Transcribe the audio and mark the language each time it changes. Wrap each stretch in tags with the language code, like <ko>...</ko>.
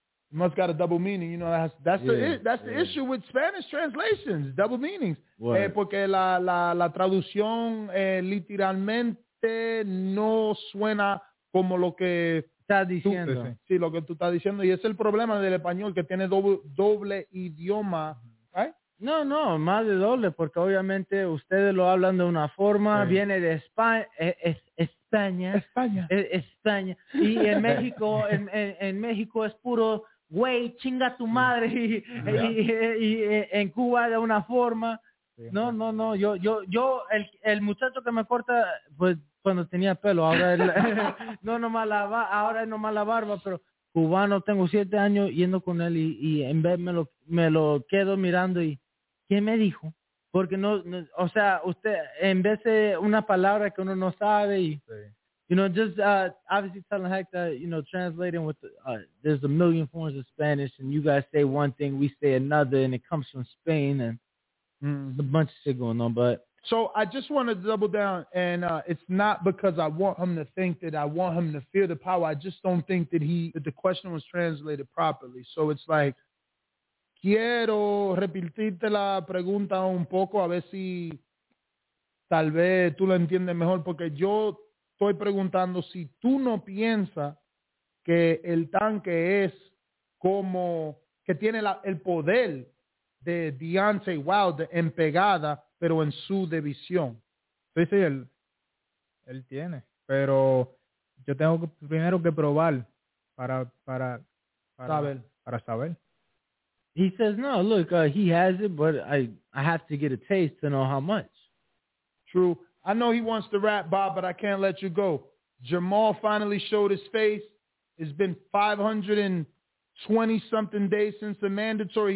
<en>It must got a double meaning. You know, that's the issue with Spanish translations, double meanings.</en> <es>Porque la traducción literalmente no suena como lo que está diciendo. Sí, lo que tú estás diciendo. Y es el problema del español, que tiene doble idioma. No, más de doble, porque obviamente ustedes lo hablan de una forma, viene de España, España. España. Y en México es puro güey, chinga tu madre. Y en Cuba de una forma. No. Yo el muchacho que me corta, pues cuando tenía pelo, ahora el, no nomás la ahora es nomás la barba, pero cubano, tengo 7 años yendo con él y en vez me lo quedo mirando y ¿quién me dijo? Porque no, o sea, usted en vez de una palabra que uno no sabe y, sí.</es> <en>You know, just obviously telling Hector, you know, translating with there's a million forms of Spanish and you guys say one thing, we say another and it comes from Spain and a bunch of shit going on, but so I just want to double down, and it's not because I want him to think that I want him to feel the power. I just don't think that the question was translated properly. So it's like,</en> <es>quiero repetirte la pregunta un poco, a ver si tal vez tú la entiendes mejor, porque yo estoy preguntando si tú no piensas que el tanque es como, que tiene el poder de Deontay Wilder en pegada, pero en su división. Sí, sí, él tiene. Pero yo tengo primero que probar para saber.</es> <en>He says, no, look, he has it, but I have to get a taste to know how much. True. I know he wants to rap, Bob, but I can't let you go. Jamal finally showed his face. It's been 520-something days since the mandatory.</en>